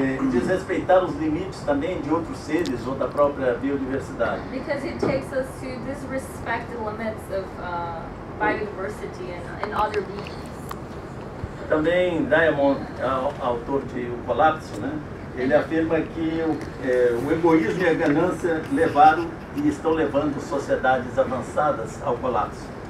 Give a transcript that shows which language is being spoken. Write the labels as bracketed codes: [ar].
[pt] Desrespeitar os limites também de outros seres ou da própria biodiversidade. [en] Because it takes us to disrespect the limits of biodiversity and other beings. [pt] Também Diamond, autor de O Colapso, né? Ele afirma que o egoísmo e a ganância levaram e estão levando sociedades avançadas ao colapso.